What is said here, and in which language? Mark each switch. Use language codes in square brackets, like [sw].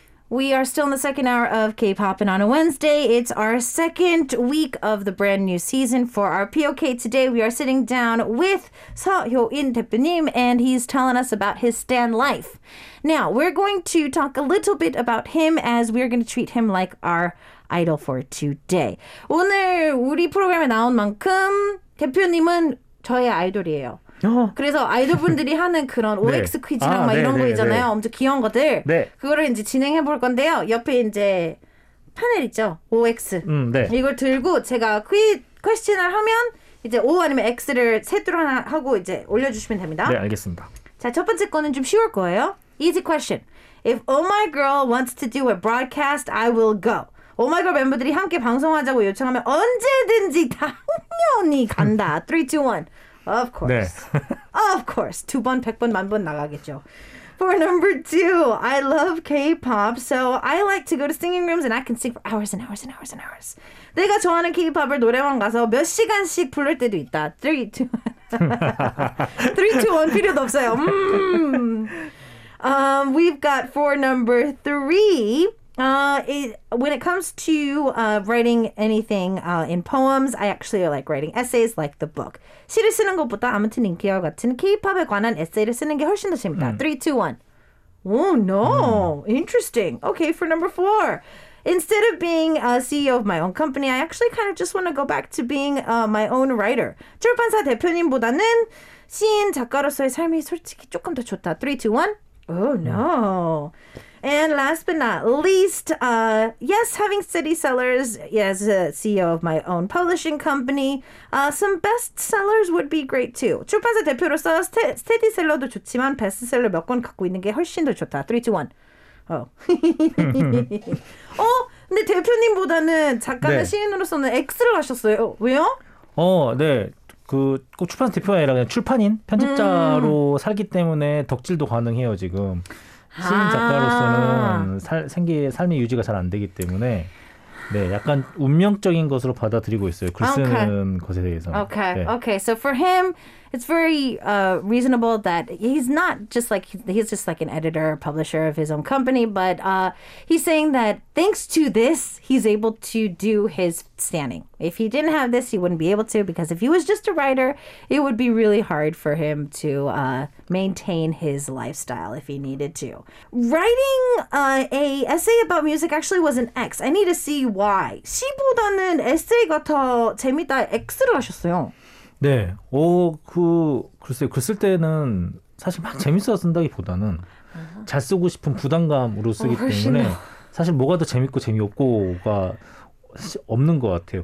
[en] We are still in the second hour of K-pop, and on a Wednesday, it's our second week of the brand new season for our POK. Today, we are sitting down with Seo Hyo-in 대표님, and he's telling us about his stan life. Now, we're going to talk a little bit about him, as we're going to treat him like our idol for today. [ko] 오늘 우리 프로그램에 나온 만큼 대표님은 저의 아이돌이에요. 그래서 아이돌분들이 하는 그런 OX 네. 퀴즈랑 아, 막 네, 이런 네, 거 있잖아요. 네. 엄청 귀여운 것들. 네. 그거를 이제 진행해 볼 건데요. 옆에 이제 패널 있죠? OX. 네. 이걸 들고 제가 퀘스천을 하면 이제 O 아니면 X를 셋으로 하나 하고 이제 올려주시면 됩니다. 네, 알겠습니다. 자, 첫 번째 거는 좀 쉬울 거예요. [en] Easy question. If Oh My Girl wants to do a broadcast, I will go. [ko] Oh My Girl 멤버들이 함께 방송하자고 요청하면 언제든지 당연히 간다. 3, 2, 1. [en] Of course. [ko] 네. [en] Of course. [ko] 두 번, 백 번, 만 번 나가겠죠. [en] For number two, I love K-pop, so I like to go to singing rooms and I can sing for hours and hours and hours and hours. [ko] 내가 좋아하는 K-pop을 노래방 가서 몇 시간씩 부를 때도 있다. 3, 2, 1 필요도 없어요. [en] We've got for number three. When it comes to writing anything in poems, I actually like writing essays like the book. [ko] 시를 쓰는 것보다 아무튼 인기와 같은 K-pop에 관한 에세이를 쓰는 게 훨씬 더 재밌다. [en] 3, 2, 1. Oh, no. Interesting. Okay, for number four. Instead of being a CEO of my own company, I actually kind of just want to go back to being my own writer. [ko] 출판사 대표님보다는 시인 작가로서의 삶이 솔직히 조금 더 좋다. 3, 2, 1. [en] Oh, no. And last but not least, yes, having city sellers as a CEO of my own publishing company, some bestsellers would be great too. [ko] 출판사 대표로서 스테디 셀러도 좋지만 베스트셀러 몇 권 갖고 있는 게 훨씬 더 좋다. 3, 2, 1. 어? 근데 대표님보다는 작가나 네. 시인으로서는 X를 하셨어요. 왜요? 어, 네. 그 꼭 출판사 대표가 아니라 그냥 출판인 편집자로 살기 때문에 덕질도 가능해요 지금. 시인 작가로서는 삶의 유지가 잘 안 되기 때문에 네 약간 운명적인 것으로 받아들이고 있어요 글 쓰는 [en] okay. [ko] 것에 대해서. [en] Okay, 네. okay. So for him, it's very reasonable that he's not just like he's just like an editor, or publisher of his own company, but he's saying that thanks to this, he's able to do his standing. If he didn't have this, he wouldn't be able to because if he was just a writer, it would be really hard for him to maintain his lifestyle if he needed to. Writing a essay about music actually was an X. I need to see why. [ko] 시보다는 에세이가 더 재밌다 X를 하셨어요. 네. 어, 그 글쎄요. 글 쓸 때는 사실 막 재밌어서 쓴다기보다는 잘 쓰고 싶은 부담감으로 쓰기 때문에 사실 뭐가 더 재밌고 재미없고가 없는 것 같아요.